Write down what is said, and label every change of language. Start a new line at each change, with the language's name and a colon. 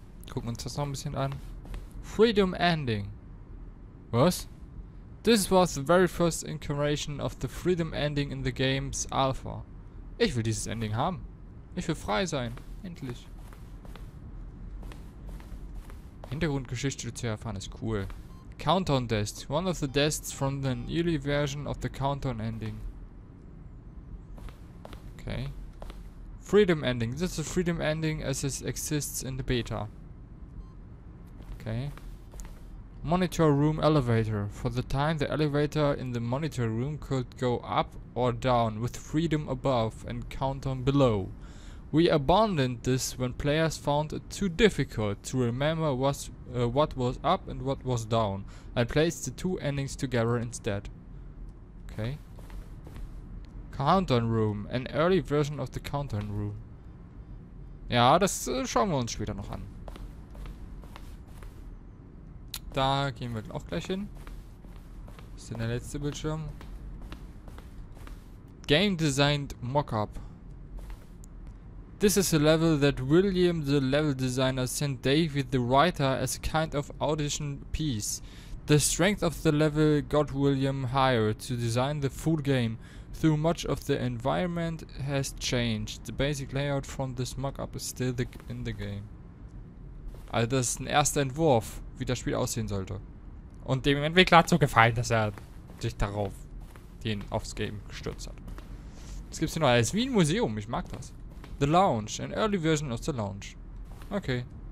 German: Gucken uns das noch ein bisschen an. Freedom Ending. Was?
English: This was the very first incarnation of the freedom ending in the game's alpha.
German: Ich will dieses Ending haben. Ich will frei sein. Endlich. Hintergrundgeschichte zu erfahren ist cool.
English: Countdown Dest, one of the Dests from the early version of the Countdown Ending. Okay. Freedom Ending, this is the Freedom Ending as it exists in the beta. Okay. Monitor Room Elevator, for the time the elevator in the monitor room could go up or down with Freedom above and Countdown below. We abandoned this when players found it too difficult to remember what was up and what was down, and placed the two endings together instead. Okay. Countdown Room, an early version of the Countdown Room.
German: Ja, das schauen wir uns später noch an. Da gehen wir auch gleich hin. Das ist denn der letzte Bildschirm?
English: Game Designed Mockup. This is a level that William, the level designer, sent David, the writer, as a kind of audition piece. The strength of the level got William hired to design the full game. Though much of the environment has changed, the basic layout from this mockup is still in the game.
German: Also das ist ein erster Entwurf, wie das Spiel aussehen sollte. Und dem Entwickler hat so gefallen, dass er sich darauf, den aufs Game gestürzt hat. Das gibt's hier noch, es ist wie ein Museum, ich mag das.
English: The Lounge, an early version of the Lounge.
German: Okay.